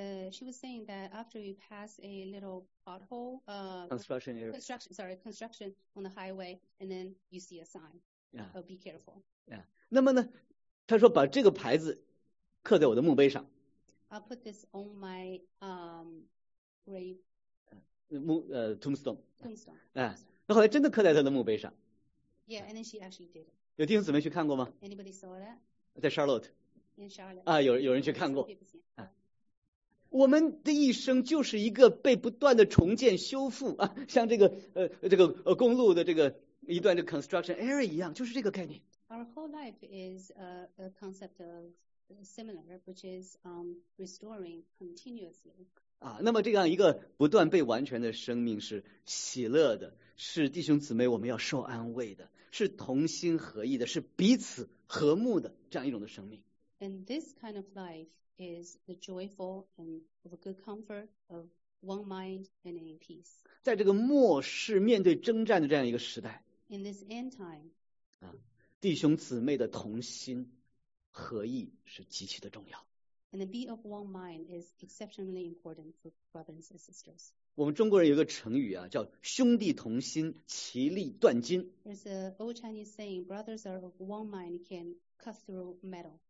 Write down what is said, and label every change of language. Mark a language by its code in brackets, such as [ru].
[en] She was saying that after you pass a little pothole, construction area. Construction on the highway, and then you see a sign. Yeah. Oh, be careful. Yeah. [zh] 那么呢，他说把这个牌子刻在我的墓碑上。 [en] I'll put this on my grave. Tombstone. Tombstone. [zh] 那后来真的刻在他的墓碑上。 [en] Yeah, and then she actually did it. [zh] 有弟兄姊妹去看过吗 [en] ？Anybody saw that? [zh] 在 Charlotte. [en] In Charlotte. [zh] 有人去看过。我们的一生就是一个被不断的重建修复啊，像这个公路的这个一段的 construction area 一样，就是这个概念。 [en] Our whole life is a concept of similar, which is restoring continuously. [zh] 啊，那么这样一个不断被完全的生命是喜乐的，是弟兄姊妹我们要受安慰的，是同心合意的，是彼此和睦的这样一种的生命。 [en] And this kind of life. Is the joyful and of a good comfort of one mind and in peace. [zh] 在这个末世面对征战的这样一个时代 [en] ，In this end time, [zh] 弟兄姊妹的同心合意是极其的重要。 [en] And the be of one mind is exceptionally important for brothers and sisters. [zh] 我们中国人有一个成语啊，叫兄弟同心，其利断金。 [en] There's an old Chinese saying, "Brothers are of one mind, can cut through metal."